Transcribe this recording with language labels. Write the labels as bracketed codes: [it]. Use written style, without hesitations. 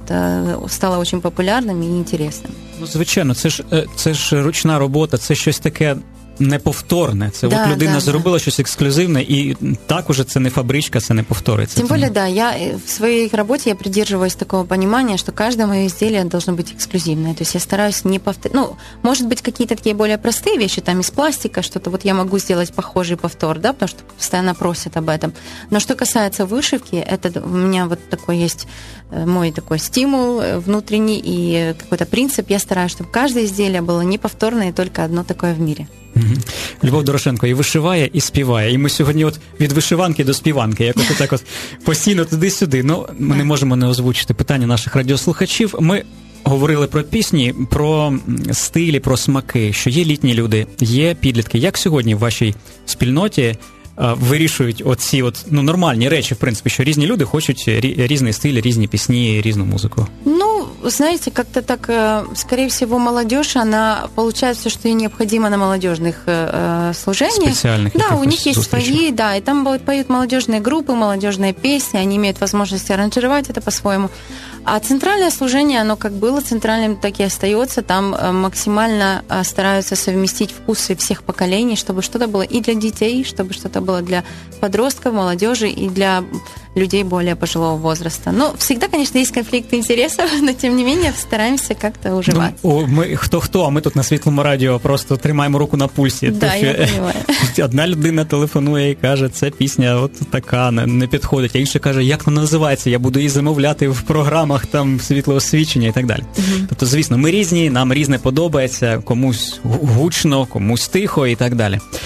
[ru] Это стало очень популярным и интересным. [uk] Ну, звичайно, це ж ручна робота, це щось таке неповторне. Це да, от людина зробила щось ексклюзивне, і так уже це не фабричка, це не повторюється. Тим более, да, я в своїй роботі я придерживаюсь такого понимания, що кожне моє изделие должно бути ексклюзивне. [ru] То есть я стараюсь не повторити. Ну, може бути, какие-то такие более простые вещи, там, из пластика, что-то вот я могу сделать похожий повтор, да, потому что постоянно просят об этом. Но что касается вышивки, это у меня вот такой есть мой такой стимул внутренний и какой-то принцип. Я стараюсь, чтобы каждое изделие было неповторное и только одно такое в мире. Любов Дорошенко и вышивая, и спевая. И мы сегодня вот от вышиванки до спеванки, как вот так вот постоянно [uk] туди-сюди. [ru] Но мы не можем не озвучить [uk] питання наших радиослухачів. [ru] Мы [uk] говорили про пісні, про стилі, про смаки, що є літні люди, є підлітки. Як сьогодні в вашій спільноті вирішують оці от, ну, нормальні речі, в принципі, що різні люди хочуть різний стиль, різні пісні, різну музику? [ru] Ну, знаете, как-то так, скорее всего, молодежь, она получает все, что ей необходимо на молодежных служениях. Специальных. Да, у них есть свои, да, и там поют молодежные группы, молодежные песни, они имеют возможность аранжировать это по-своему. А центральное служение, оно как было центральным, так и остается. Там максимально стараются совместить вкусы всех поколений, чтобы что-то было и для детей, чтобы что-то было для подростков, молодежи и для людей более пожилого возраста. Ну, всегда, конечно, есть конфликт интересов, но тем не менее стараемся как-то уживаться. Ну, мы кто-кто, а мы тут [uk] на Світлому Радіо просто тримаємо руку на пульсі. [ru] Да, то, я понимаю. [uk] Одна людина телефонує і каже, це пісня от така, не підходить. А інша каже, як вона називається, я буду її замовляти в програмах там світлоосвічення і так далі. Угу. Тобто, звісно, ми різні, нам різне подобається, комусь гучно, комусь тихо і так далі.